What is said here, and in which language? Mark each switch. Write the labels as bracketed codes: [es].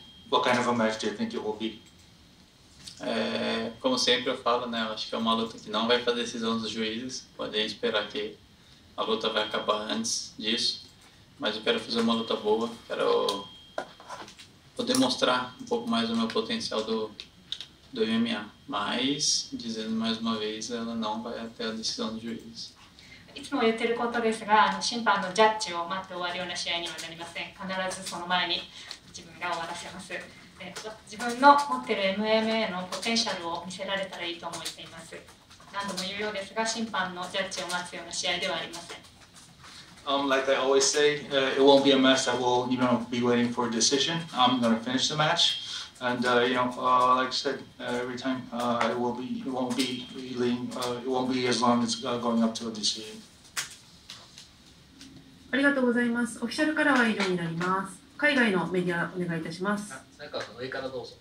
[en] What kind of a match do you think it will be? [pt] Como sempre eu falo, né, eu acho que é uma luta que não vai para a decisão dos juízes. Podem esperar que a luta vai acabar antes disso, mas eu quero fazer uma luta boa, quero poder mostrar um pouco mais o meu potencial do MMA, mas dizendo mais uma vez, ela não vai até a decisão dos juízes. [ja] いつも言ってることですが、審判のジャッジを待って終わるような試合にはなりません。必ずその前に自分が終わらせます。自分の持っている MMA のポテンシャルを見せられたらいいと思っています。何度も言うようですが、審判のジャッジを待つような試合ではありません。 [en] Like I always say, it won't be a match that will, you know, be waiting for a decision. I'm going to finish the match. And, you know, like I said, every time it won't be as long as going up to a decision. [ja] ありがとうございます。オフィシャルからは以上になります。海外のメディアお願いいたします。サイカーさん、上からどうぞ。